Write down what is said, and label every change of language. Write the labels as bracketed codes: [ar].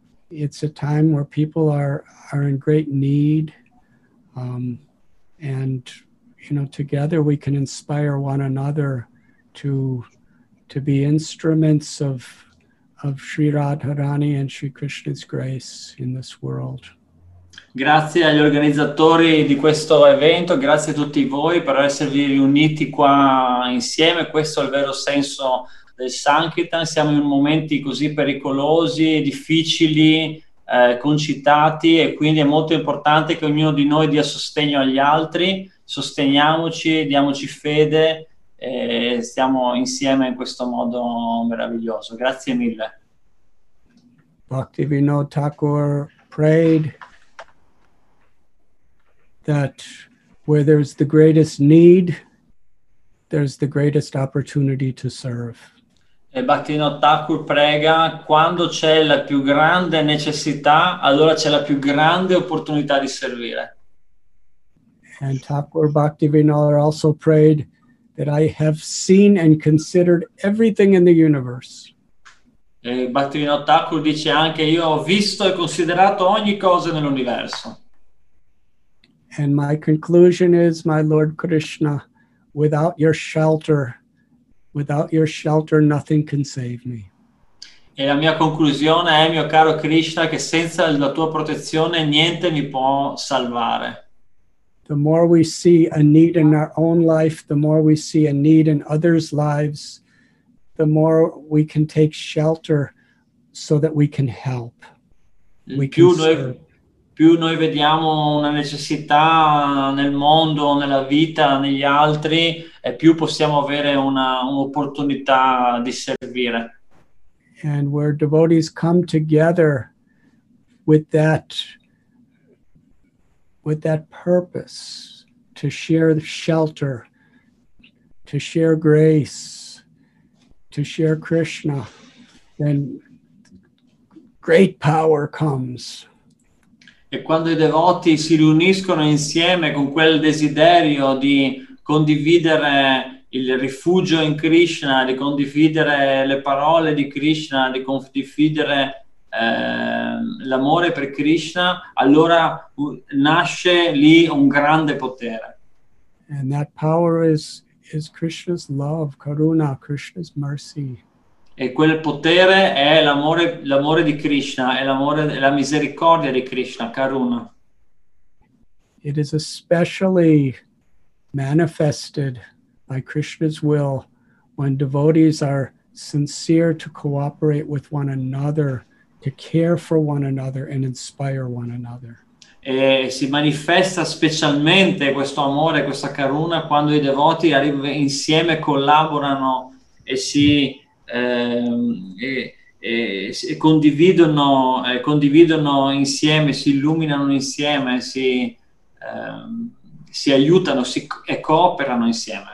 [en] It's a time where people are in great need. And, you know, together we can inspire one another to be instruments of Sri Radharani and Sri Krishna's grace in this world. [it] Grazie agli organizzatori di questo evento, grazie a tutti voi per esservi riuniti qua insieme, questo è il vero senso del Sankirtan, siamo in momenti così pericolosi, difficili, concitati e quindi è molto importante che ognuno di noi dia sostegno agli altri, sosteniamoci, diamoci fede e stiamo insieme in questo modo meraviglioso. Grazie mille. [en] Bhaktivinoda Thakur prayed that where there's the greatest need, there's the greatest opportunity to serve. [it] E Bhaktivinoda Thakur prega, quando c'è la più grande necessità, allora c'è la più grande opportunità di servire. [en] And Thakur Bhaktivinoda also prayed that I have seen and considered everything in the universe. [it] E Bhaktivinoda Thakur dice anche, io ho visto e considerato ogni cosa nell'universo. [en] And my conclusion is, my Lord Krishna, without your shelter, nothing can save me. [it] E la mia conclusione è, mio caro Krishna, che senza la tua protezione niente mi può salvare. [en] The more we see a need in our own life, the more we see a need in others' lives, the more we can take shelter so that we can help. We can serve. [it] più noi vediamo una necessità nel mondo, nella vita, negli altri, e più possiamo avere un'opportunità di servire. [en] And where devotees come together with that purpose to share the shelter, to share grace, to share Krishna, then great power comes. [it] E quando i devoti si riuniscono insieme con quel desiderio di condividere il rifugio in Krishna, di condividere le parole di Krishna, di condividere l'amore per Krishna, allora nasce lì un grande potere. [en] And that power is Krishna's love, karuna, Krishna's mercy. [it] E quel potere è l'amore di Krishna, è l'amore, è la misericordia di Krishna, karuna. [en] It is especially manifested by Krishna's will when devotees are sincere to cooperate with one another, to care for one another and inspire one another. [it] E si manifesta specialmente questo amore, questa karuna, quando i devoti arrivano insieme, collaborano e condividono insieme, si illuminano insieme, si aiutano, e cooperano insieme.